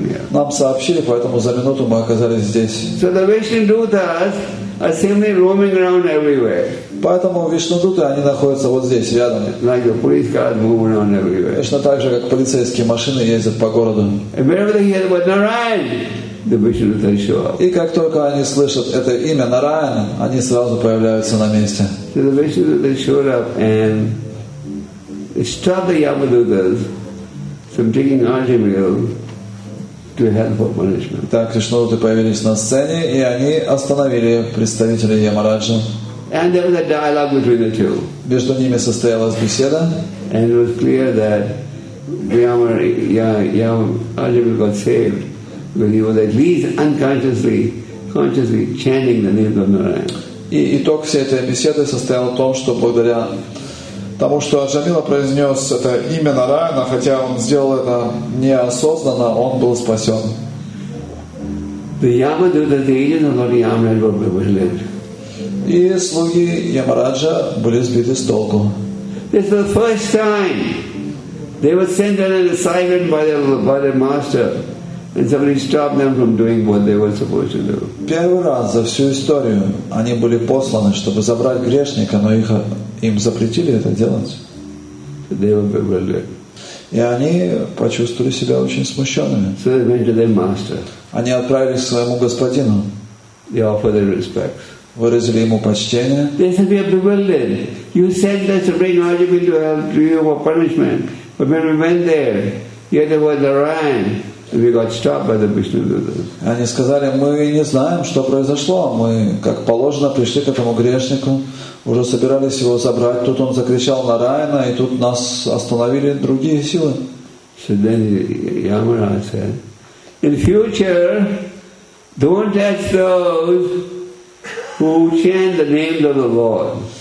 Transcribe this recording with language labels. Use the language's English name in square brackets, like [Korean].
[Russian] Нам сообщили, поэтому за минуту мы оказались здесь. [English] So the Vishnudutas are simply roaming around everywhere. [Russian] Поэтому Вишнудуты, они находятся вот здесь, рядом. [English] Like the police cars move around everywhere. [Russian] Точно так же, как полицейские машины ездят по городу. И как только они слышат это имя Нараян, они сразу появляются на месте. [English] So the Vishnudutas showed up and stopped the Yamadutas from taking Arjimil to hell for punishment. [Russian] Так, Вишнудуты появились на сцене, и они остановили представителей Ямараджи. [English] And there was a dialogue between the two. [Russian] Между ними состоялась беседа. [English] And it was clear that Arjimil got saved. But he was at least unconsciously, consciously chanting the name of Narayan. [Russian] И итог всей этой беседы состоял в том, что благодаря тому, что Арджамила произнес это имя Нараяна, хотя он сделал это неосознанно, он был спасен. [English] The Yamadutas, the agents of Lord Yamaraj, were bewildered. [Russian] И слуги Ямараджа были сбиты с толку. [English] This was the first time they were sent on an assignment by their master. And somebody stopped them from doing what they were supposed to do. [Russian] Первый раз за всю историю они были посланы, чтобы забрать грешника, но им запретили это делать. [English] They were bewildered. [Russian] И они почувствовали себя очень смущенными. [English] So they went to their master. [Russian] Они отправились к своему господину. [English] They offered their respects. [Russian] Выразили ему почтение. [English] They said, we are bewildered. You said that to bring Arjuna to hell to you for punishment. But when we went there, here there was a Narayan. We got stopped by the Vishnudutas. [Russian] Они сказали, мы не знаем, что произошло. Мы, как положено, пришли к этому грешнику. Уже собирались его забрать. Тут он закричал на Нараяна, и тут нас остановили другие силы. [English] So then Yamaraj said, in future, don't touch those who chant the names of the Lord.